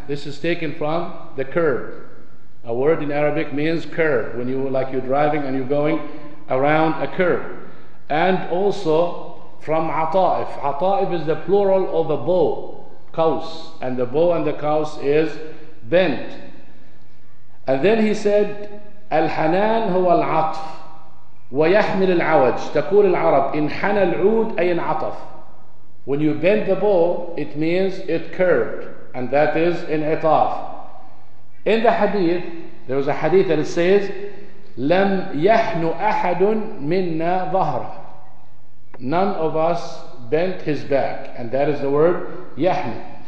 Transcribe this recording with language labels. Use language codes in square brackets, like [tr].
[en] This is taken from the curve. A word in Arabic means curve, when you, like, you're driving and you're going around a curve. And also from ata'if. Ata'if is the plural of a bow, kaus, and the bow and the kaus is bent. And then he said, [ar] الحنان هو العطف ويحمل العوج تقول العرب إن حن العود أي انعطف. [en] When you bend the bow, it means it curved, and that is in عطاف. In the hadith, there was a hadith that it says, [ar] لم يحن أحد منا ظهره. [en] None of us bent his back, and that is the word يحن.